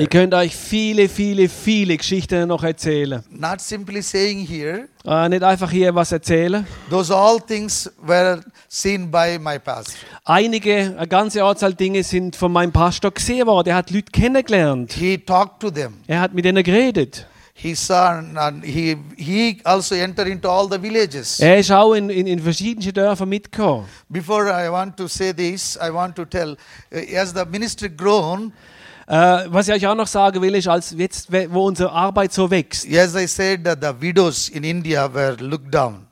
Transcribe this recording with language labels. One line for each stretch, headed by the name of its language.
German: Ihr könnt euch viele, viele, viele Geschichten noch erzählen.
English: Not simply saying here.
German: Nicht einfach hier was erzählen.
English: Those all things were seen by my pastor.
German: Einige, eine ganze Anzahl Dinge sind von meinem Pastor gesehen worden. Er hat Leute kennengelernt.
English: He talked to them.
German: Er hat mit ihnen geredet.
English: He saw and he also entered into all the villages.
German: Er ist auch in verschiedenen Dörfern mitgekommen.
English: Before I want to say this, I want to tell, as the ministry grown.
German: Was ich euch auch noch sagen will, ist, als jetzt, wo unsere Arbeit so wächst.
English: Yes, I said that the widows in India were looked down.